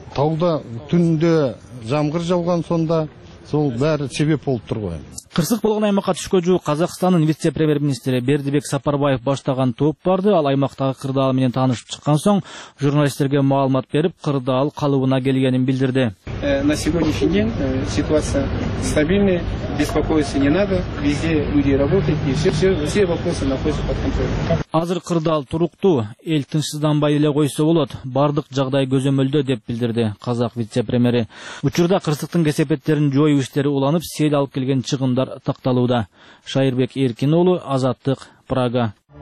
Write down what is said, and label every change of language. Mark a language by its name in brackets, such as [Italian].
[Kyrgyz] Тауда түндө жамгыр жауган, сонда сол баары себеп болуп турбай. Кырсык болгон аймакка түшкө жуук Казакстандын вице премьер министри Бердибек Сапарбаев баштаган топ барды. Ал аймактагы кырдаал менен таанышып чыккан соң журналисттерге маалымат берип, кырдаал калыбына келгенин билдирди. [Russian] На сегодняшний день ситуация стабильная. беспокоиться не надо. Везде люди работают, и все вопросы находятся под контролем. [Kyrgyz] Азыр кырдаал туруктуу, эл тынчсызданбай эле койсо болот. Бардык жагдай көзөмөлдө, деп билдирди казак вице-премьери. Учурда кырсыктын кесепеттерин жоюу иштери уланып, сел алып келген чыгымдар такталууда. Шайырбек Эркин уулу, Азаттык, Прага.